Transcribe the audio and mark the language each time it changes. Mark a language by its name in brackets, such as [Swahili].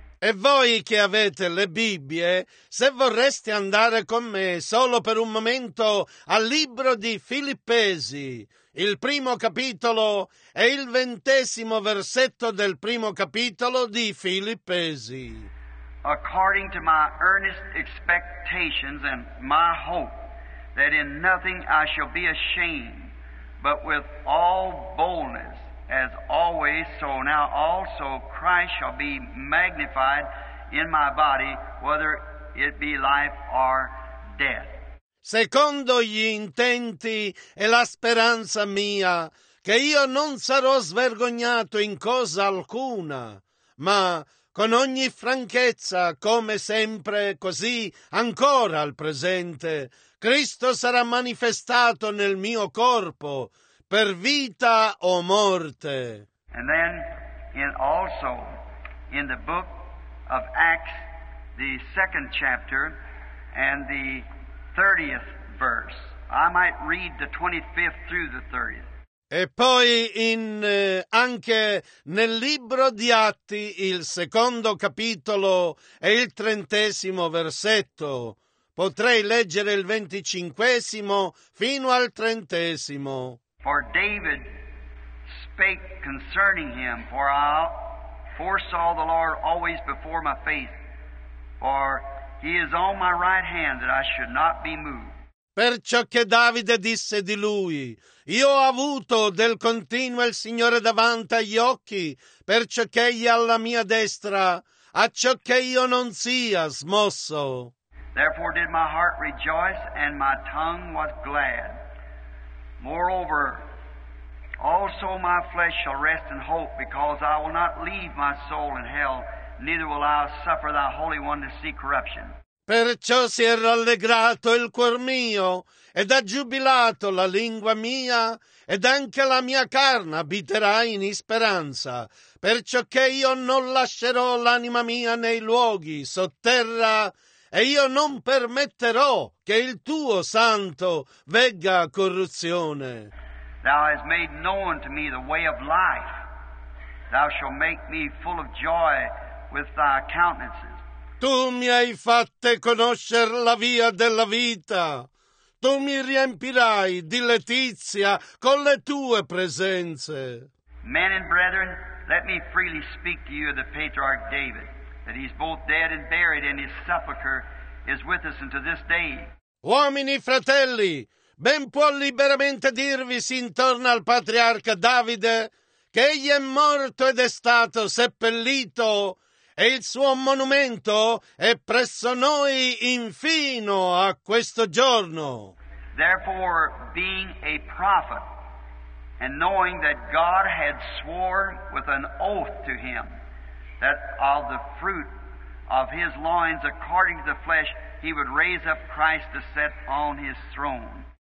[Italian] E voi che avete le Bibbie, se vorreste andare con me solo per un momento al libro di Filippesi, il primo capitolo e il 20° versetto del primo capitolo di Filippesi. [English] According to my earnest expectations and my hope that in nothing I shall be ashamed, but with all boldness as always, so now also Christ shall be magnified in my body, whether it be life or death. [Italian] Secondo gli intenti e la speranza mia, che io non sarò svergognato in cosa alcuna, ma con ogni franchezza, come sempre, così ancora al presente, Cristo sarà manifestato nel mio corpo, per vita o morte. [English] And then in also in the book of Acts, the second chapter and the 30th verse. I might read the 25th through the 30th. [Italian] E poi anche nel libro di Atti, il secondo capitolo e il 30° versetto. Potrei leggere il 25° fino al 30°. [English] For David spake concerning him, for I foresaw the Lord always before my face, for he is on my right hand that I should not be moved. [Italian] Perciò che Davide disse di lui, io ho avuto del continuo il Signore davanti agli occhi, perciò che egli alla mia destra, acciò che io non sia smosso. [English] Therefore did my heart rejoice, and my tongue was glad. Moreover, also my flesh shall rest in hope, because I will not leave my soul in hell, neither will I suffer thy Holy One to see corruption. [Italian] Perciò si è rallegrato il cuor mio, ed ha giubilato la lingua mia, ed anche la mia carne abiterà in speranza, perciò che io non lascerò l'anima mia nei luoghi sotterra, e io non permetterò che il tuo santo vegga corruzione. [English] Thou hast made known to me the way of life. Thou shalt make me full of joy with thy countenances. [Italian] Tu mi hai fatto conoscere la via della vita. Tu mi riempirai di letizia con le tue presenze. [English] Men and brethren, let me freely speak to you of the patriarch David, that he's both dead and buried, and his sepulcher is with us unto this day. [Italian] Uomini, fratelli, ben può liberamente dirvi intorno al patriarca Davide che egli è morto ed è stato seppellito, e il suo monumento è presso noi infino a questo giorno. [English] Therefore, being a prophet, and knowing that God had sworn with an oath to him, that of the fruit of his loins, according to the flesh, he would raise up Christ to set on his throne.